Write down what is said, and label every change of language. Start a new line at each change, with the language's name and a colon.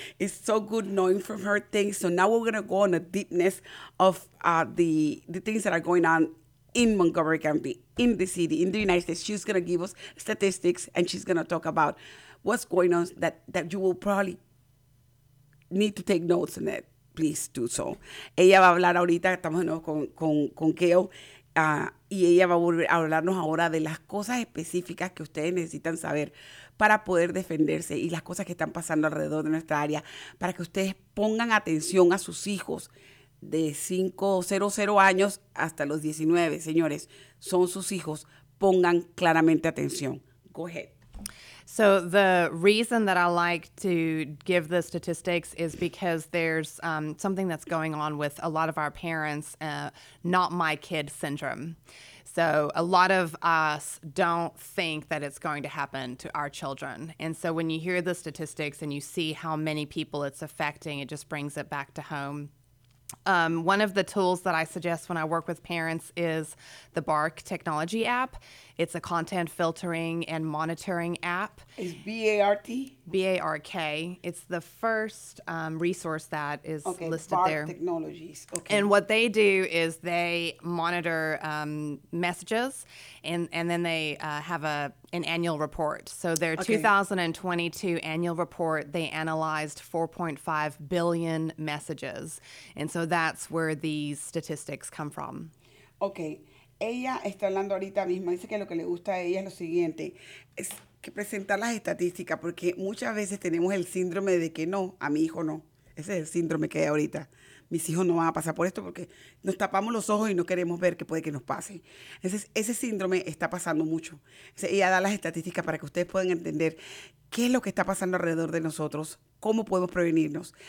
English: It's so good knowing from her things. So now we're going to go on the deepness of the things that are going on in Montgomery County, in the city, in the United States. She's going to give us statistics, and she's going to talk about what's going on that you will probably need to take notes in it. Please do so.
Spanish: Ella va a hablar ahorita, estamos de nuevo con Gayle. Y ella va a volver a hablarnos ahora de las cosas específicas que ustedes necesitan saber para poder defenderse y las cosas que están pasando alrededor de nuestra área para que ustedes pongan atención a sus hijos de 500 años hasta los 19. Señores, son sus hijos. Pongan claramente atención.
English: Go ahead. So the reason that I like to give the statistics is because there's something that's going on with a lot of our parents, not my kid syndrome. So a lot of us don't think that it's going to happen to our children. And so when you hear the statistics and you see how many people it's affecting, it just brings it back to home. One of the tools that I suggest when I work with parents is the BARC technology app. It's a content filtering and monitoring app. It's B-A-R-T? BARK. It's the first resource that is listed BARK there. BARK Technologies. Okay. And what they do is they monitor messages, and then they have an annual report. So their 2022 annual report, they analyzed 4.5 billion messages. And so that's where these statistics come from.
Spanish: Okay. Ella está hablando ahorita mismo. Dice que lo que le gusta a ella es lo siguiente. Es que presentar las estadísticas, porque muchas veces tenemos el síndrome de que no, a mi hijo no. Ese es el síndrome que hay ahorita. Mis hijos no van a pasar por esto porque nos tapamos los ojos y no queremos ver que puede que nos pase. Ese síndrome está pasando mucho. Ella da las estadísticas para que ustedes puedan entender qué es lo que está pasando alrededor de nosotros, cómo podemos prevenirnos.